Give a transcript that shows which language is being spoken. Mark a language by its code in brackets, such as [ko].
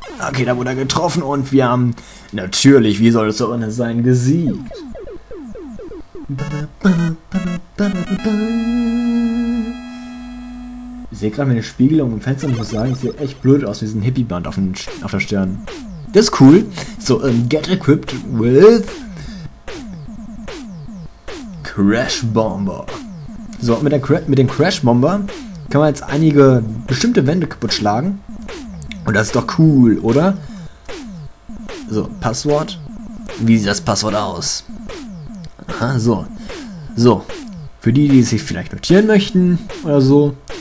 [de] Okay, da wurde er getroffen und wir haben natürlich, wie soll es auch anders sein, gesiegt. Ich sehe gerade meine Spiegelung im Fenster und muss sagen, ich sehe echt blöd aus wie so ein Hippie-Band auf der Stirn. Das ist cool. [en] So, get equipped with Crash Bomber. [de] So, mit dem Crash Bomber kann man jetzt einige bestimmte Wände kaputt schlagen. Und das ist doch cool, oder? So, Passwort. Wie sieht das Passwort aus? Aha, so. So, für die, die sich vielleicht notieren möchten oder so.